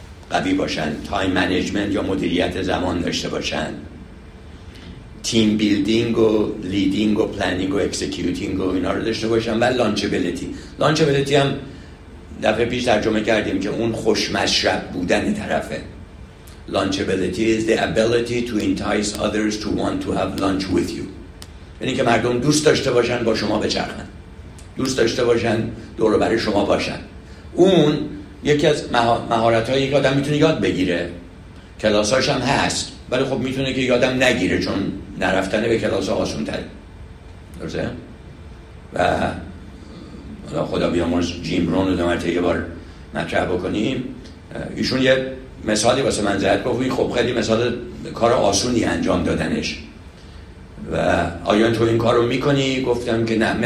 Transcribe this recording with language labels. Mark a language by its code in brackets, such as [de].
[fa] قوی باشن، تایم منیجمنت یا مدیریت زمان داشته باشن، تیم بیلدینگ و لیدینگ و پلانینگ و اکسیکیوتینگ و اینا رو داشته باشن و لانچبلیتی. لانچبلیتی هم دفعه پیش ترجمه کردیم که اون خوشمشرب بودن طرفه. [en] Launchability is the ability to entice others to want to have lunch with you. [fa] یعنی که مردم دوست داشته باشن با شما بچرخن، دوست داشته باشن دور و بر شما باشن. اون یکی از مهارت‌هایی که آدم میتونه یاد بگیره، کلاساش هم هست، ولی خب میتونه که یادم نگیره چون نرفتن به کلاس آسون تره، درسته؟ و حالا خدا بیامرز جیم رون رو دو مرتبه یه بار مطرح بکنیم، ایشون یه مثالی واسه من زد، گفت خب خیلی مثال کار آسونی انجام دادنش و آیا تو این کار رو میکنی؟ گفتم که نه.